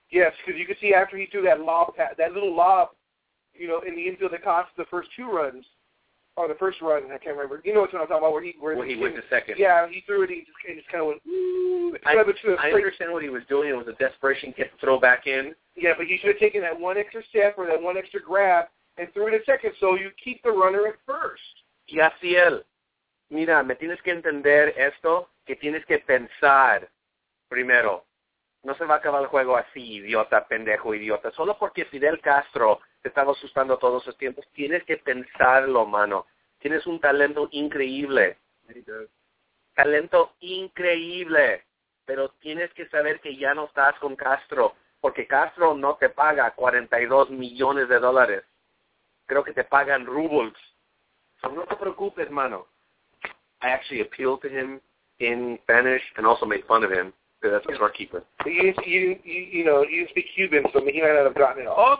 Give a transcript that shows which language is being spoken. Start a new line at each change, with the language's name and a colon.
English: Yes, because you could see after he threw that lob, that little lob, you know, in the infield that cost the first two runs, or the first run, I can't remember. You know what I'm talking about, where he went to second. Yeah, he threw it, he just kind of went, I understand what he was doing. It was a desperation get the throw back in. Yeah, but he should have taken that one extra step or that one extra grab and threw it a second, so you keep the runner at first.
Spanish: Yaciel. Mira, me tienes que entender esto, que tienes que pensar primero. No se va a acabar el juego así, idiota, pendejo, idiota. Solo porque Fidel Castro te estaba asustando todos esos tiempos, tienes que pensarlo, mano. Tienes un talento increíble. Talento increíble. Pero tienes que saber que ya no estás con Castro, porque Castro no te paga 42 millones de dólares. Creo que te pagan rubles. So no te preocupes, mano.
English: I actually appealed to him in Spanish and also made fun of him because that's the scorekeeper. You speak Cuban, so he might not have gotten it all.